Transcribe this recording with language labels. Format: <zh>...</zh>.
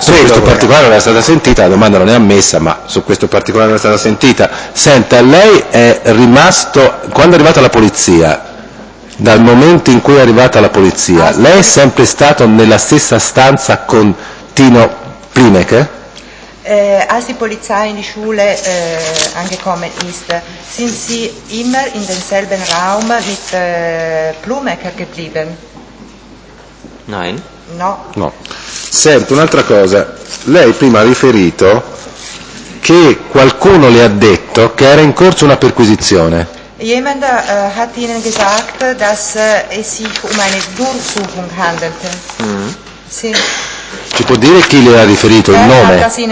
<it>Su questo particolare non è stata sentita, la domanda non è ammessa, ma su questo particolare non è stata sentita. Senta, lei è rimasto. Quando è arrivata la polizia? Dal momento in cui è arrivata la polizia, lei è sempre stato nella stessa stanza con Tino Plinecke?</it> <de>Als die Polizei in die Schule angekommen ist, sind Sie immer in denselben Raum mit Plumecker geblieben? Nein.</de> <it>No. No. Senta, un'altra cosa. Lei prima ha riferito che qualcuno le ha detto che era in corso una perquisizione.</it> <de>Jemand hat Ihnen gesagt, dass es sich um eine Durchsuchung handelte. Mm.</de> <it>Sì. Ci può dire chi le ha riferito il nome?</it>